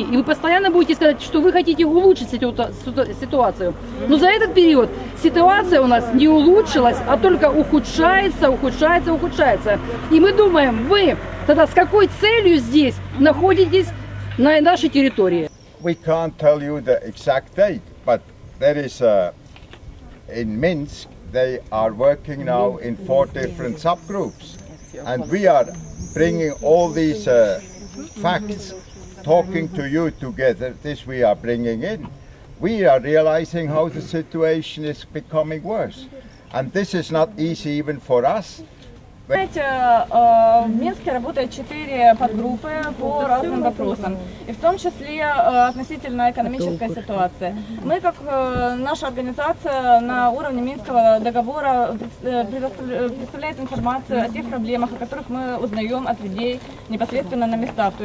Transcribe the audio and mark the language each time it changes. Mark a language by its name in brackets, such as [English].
[Russian] И вы постоянно будете сказать, что вы хотите улучшить ситуацию. Но за этот период ситуация у нас не улучшилась, а только ухудшается, ухудшается, ухудшается. И мы думаем, вы тогда с какой целью здесь находитесь на нашей территории? [English] We can't tell you the exact date, but there is a... In Minsk, they are working now in four different subgroups, and we are bringing all these facts, talking to you together. This we are bringing in. We are realizing how the situation is becoming worse, and this is not easy even for us. [Russian] Знаете, в Минске работают четыре подгруппы по разным вопросам, и в том числе относительно экономической ситуации. Мы, как наша организация на уровне Минского договора, представляет информацию о тех проблемах, о которых мы узнаем от людей непосредственно на местах.